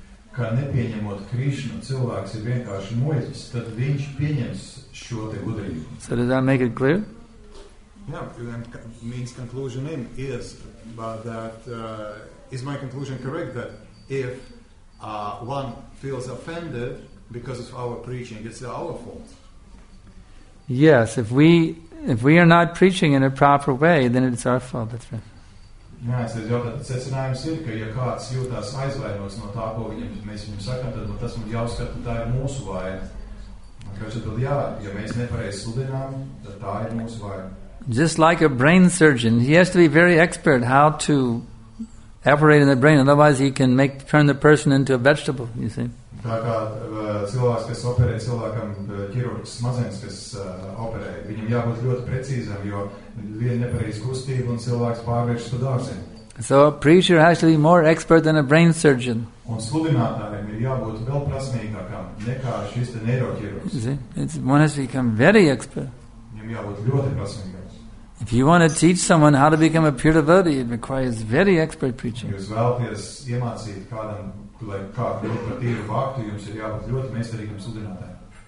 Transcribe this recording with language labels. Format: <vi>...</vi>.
<lv>Ka nepieņemot Krishna, cilvēks ir vienkārši muļķis, tad viņš pieņems šo te gudrību.</lv> <en>So did that make it clear? Yeah, means conclusion in is but that is my conclusion correct that if one feels offended because of our preaching, it's our fault. Yes, if we are not preaching in a proper way, then it's our fault, that's right.</en> <lv>Nē, es teicu, ka secinājums ir, ka ja kāds jūtās aizvainots no tā, ko viņam, mēs viņam sakam, tad tas mums jāuzskata, tā ir mūsu vaina. Kāpēc tad jā, ja mēs nepareizi sludinām, tad tā ir mūsu vaina.</lv> <en>Just like a brain surgeon, he has to be very expert how to operate in the brain, otherwise he can turn the person into a vegetable, you see.</en> <lv>Tā kā cilvēks, kas operē, cilvēkam ķirurgs smadzenes, kas operē, viņam jābūt ļoti precīzam, jo viena nepareiza kustība un cilvēks pārvēršas par dārziņu.</lv> <en>So a preacher has to be more expert than a brain surgeon.</en> <lv>Un sludinātājiem ir jābūt vēl prasmīgākam nekā šis te neiroķirurgs.</lv> <en>One has to become very expert.</en> <lv>Viņam jābūt ļoti prasmīgākam.</lv> <en>If you want to teach someone how to become a pure devotee, it requires very expert preaching.</en> <lv>Jūs vēlties iemācīt kādam, lai kādu ļoti patīru vaktu, jums ir jābūt ļoti meistarīgam sudinātājiem.</lv>